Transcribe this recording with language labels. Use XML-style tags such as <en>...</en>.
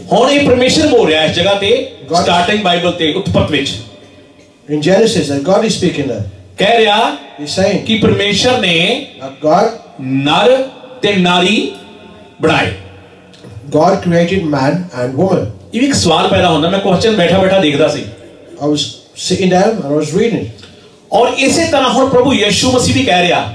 <pa>ਹੁਣ ਇਹ ਪਰਮੇਸ਼ਰ ਬੋਲ ਰਿਹਾ ਇਸ ਜਗ੍ਹਾ ਤੇ ਸਟਾਰਟਿੰਗ ਬਾਈਬਲ ਤੇ ਉਤਪਤ ਵਿੱਚ.</pa> <en>In Genesis and God is speaking that.</en> <pa>ਕਹਿ ਰਿਹਾ</pa> <en>he saying</en> <pa>ਕਿ ਪਰਮੇਸ਼ਰ ਨੇ</pa> <en>God</en> <pa>ਨਰ ਤੇ ਨਾਰੀ ਬਣਾਏ.</pa> <en>God created man and woman.</en> <pa>ਇਹ ਇੱਕ ਸਵਾਲ ਪੈਦਾ ਹੁੰਦਾ ਮੈਂ ਕੁਐਸਚਨ ਬੈਠਾ ਬੈਠਾ ਦੇਖਦਾ ਸੀ.</pa> <en>I was sitting down and I was reading.</en> <pa>ਔਰ ਇਸੇ ਤਰ੍ਹਾਂ ਹੁਣ ਪ੍ਰਭੂ ਯਿਸੂ ਮਸੀਹ ਵੀ ਕਹਿ ਰਿਹਾ</pa>